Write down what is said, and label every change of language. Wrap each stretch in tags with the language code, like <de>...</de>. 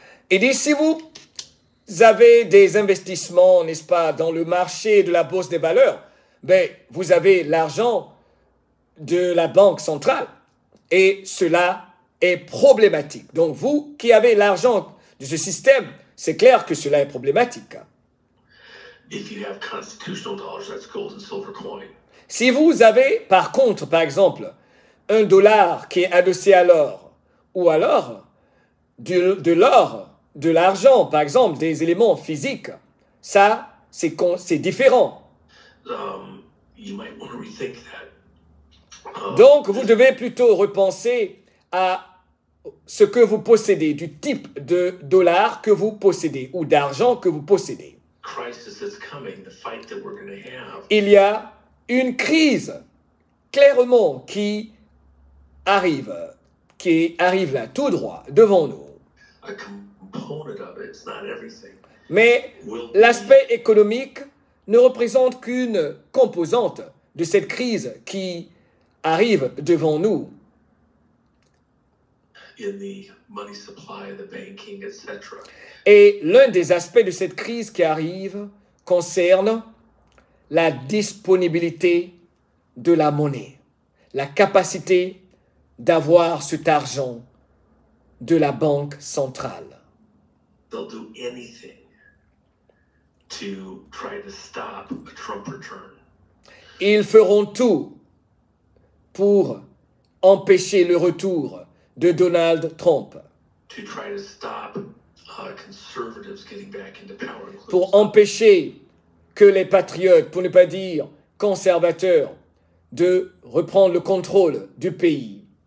<fr>Il dit, si vous avez des investissements, n'est-ce pas, dans le marché de la bourse des valeurs, ben, vous avez l'argent de la banque centrale et cela est problématique. Donc vous qui avez l'argent de ce système, c'est clair que cela est problématique.</fr> <en>If you have constitutional dollars, that's gold and silver coin.</en> <fr>Si vous avez, par contre, par exemple, un dollar qui est adossé à l'or, ou alors de l'or, de l'argent, par exemple, des éléments physiques, ça, c'est différent.</fr> <en>You might want to rethink that.</en> <fr>Donc, vous devez plutôt repenser à ce que vous possédez, du type de dollar que vous possédez, ou d'argent que vous possédez.</fr> <en>Crisis is coming, the fight that we're gonna have.</en> <fr>Il y a une crise, clairement, qui arrive, là, tout droit, devant nous.</fr> <en>A component of it, it's not everything.</en> <fr>Mais l'aspect économique ne représente qu'une composante de cette crise qui arrive devant nous.</fr> <en>In the money supply, the banking, etc.</en> <fr>Et l'un des aspects de cette crise qui arrive concerne la disponibilité de la monnaie, la capacité d'avoir cet argent de la banque centrale.</fr> <en>They'll do anything to try to stop a Trump return.</en> <fr>Ils feront tout pour empêcher le retour de Donald Trump.</fr> <en>To try to stop, conservatives getting back into power.</en> <fr>Pour empêcher que les patriotes, pour ne pas dire conservateurs, de reprendre le contrôle du pays.</fr>